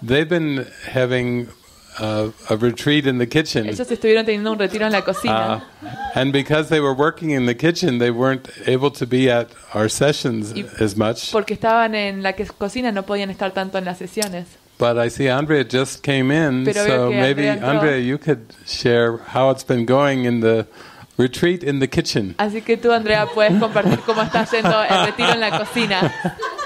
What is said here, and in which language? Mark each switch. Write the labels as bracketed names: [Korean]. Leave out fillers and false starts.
[English] they've been having a retreat in the kitchen. [Spanish] Ellos estuvieron teniendo un retiro en la cocina. [English] And because they were working in the kitchen, they weren't able to be at our sessions as much. [Spanish] Porque estaban en la cocina, no podían estar tanto en las sesiones. [English] But I see Andrea just came in, [Spanish] pero [English] so maybe Andrea, you could share how it's been going in the retreat in the kitchen. [Spanish] Así que tú, Andrea, puedes compartir cómo está yendo el retiro en la cocina.